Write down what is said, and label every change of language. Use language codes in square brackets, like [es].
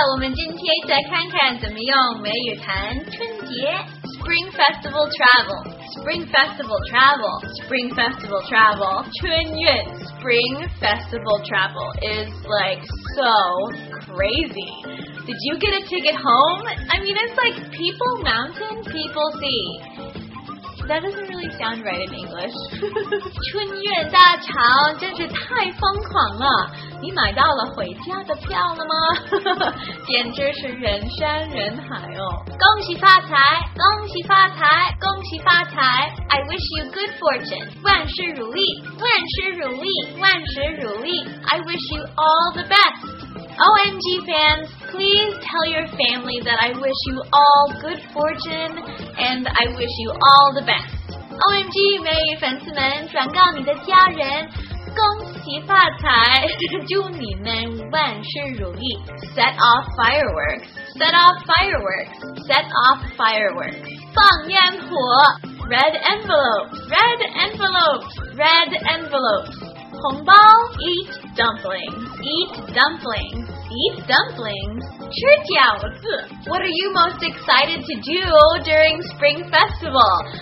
[zh] 我们今天再看看怎么用美语谈春节。 [en] Spring Festival Travel, Spring Festival Travel, Spring Festival Travel, [zh] 春运 [en] Spring Festival Travel is like so crazy. Did you get a ticket home? I mean, it's like people mountain, people sea. That doesn't really sound right in English. [zh] 春运大潮真是太疯狂了！你买到了回家的票了吗？简直是人山人海哦！恭喜发财，恭喜发财，恭喜发财 ！ [en] I wish you good fortune. [zh] 万事如意，万事如意，万事如意 ！ [en] I wish you all the best. OMG fans, please tell your family that I wish you all good fortune and I wish you all the best. OMG, [zh] 美语粉丝们，转告你的家人，恭喜发财，祝你们万事如意。 [en] Set off fireworks, set off fireworks, set off fireworks. [zh] 放烟火 [en] red envelopes, red envelopes, red envelopes. [zh] 红包 [en] Eat dumplings. Eat dumplings. Eat dumplings. [zh] 吃饺子 [en] What are you most excited to do during Spring Festival?